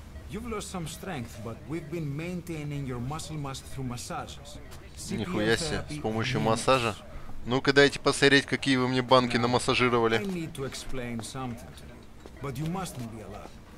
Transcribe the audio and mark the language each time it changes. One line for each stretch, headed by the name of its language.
English: You've lost some strength, but we've been maintaining your muscle mass through massages.
Russian: Нихуя себе, с помощью массажа. Ну-ка дайте посмотреть, какие вы мне банки намассажировали.
English: I need to explain something, but you mustn't be alarmed.